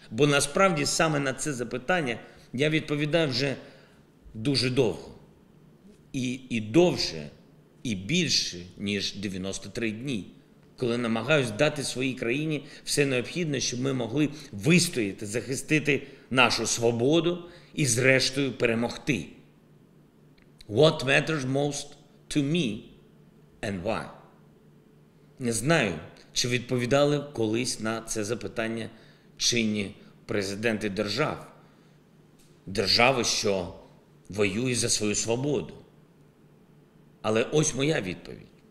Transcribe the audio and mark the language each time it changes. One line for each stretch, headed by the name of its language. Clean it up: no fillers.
Ukrainian: Бо насправді саме на це запитання я відповідав вже дуже довго. І довше, і більше, ніж 93 дні. коли намагаюсь дати своїй країні все необхідне, щоб ми могли вистояти, захистити нашу свободу і зрештою перемогти.
English: What matters most to me and why?
Ukrainian: Не знаю, чи відповідали колись на це запитання чинні президенти держав. Держави, що воює за свою свободу. Але ось моя відповідь.